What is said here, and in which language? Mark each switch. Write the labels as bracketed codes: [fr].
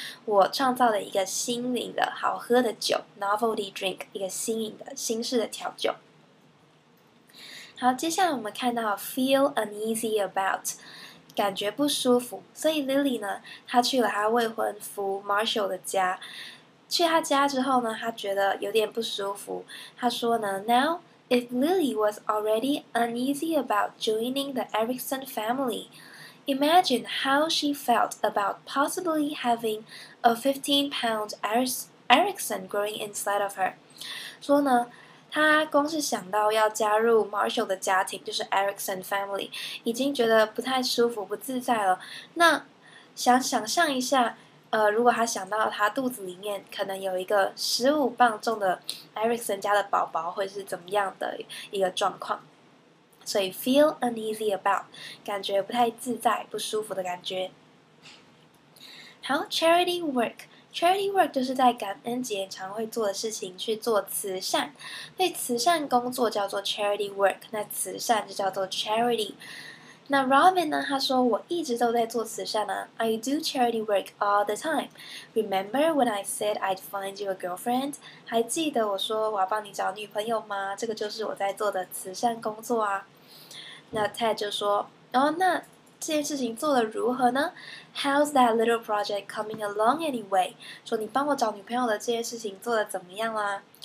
[zh] 我创造了一个新颖的好喝的酒 ， [en] novelty drink， [zh] 一个新颖的新式的调酒。好，接下来我们看到 [en] feel uneasy about。 [zh] 感觉不舒服，所以 Lily 呢，她去了她未婚夫 Marshall 的家。去他家之后呢，她觉得有点不舒服。她说呢 [en] ，Now if Lily was already uneasy about joining the Erickson family, imagine how she felt about possibly having a 15-pound Erickson growing inside of her。 [zh] 说呢。他光是想到要加入 Marshall 的家庭，就是 Erickson family， 已经觉得不太舒服、不自在了。那想象一下，如果他想到他肚子里面可能有一个15磅重的 Erickson 家的宝宝，会是怎么样的一个状况？所以 [en] feel uneasy about， [zh] 感觉不太自在、不舒服的感觉。好 ，charity work。Charity work 就是在感恩节常会做的事情，去做慈善。所以慈善工作叫做 charity work， 那慈善就叫做 charity。那 Robin 呢？他说我一直都在做慈善啊 ， [en] I do charity work all the time。 Remember when I said I'd find you a girlfriend？ [zh] 还记得我说我要帮你找女朋友吗？这个就是我在做的慈善工作啊。那 Ted 就说，哦，那。这件事情做得如何呢 ？ [en] How's that little project coming along anyway？ [zh] 说你帮我找女朋友的这件事情做得怎么样啦？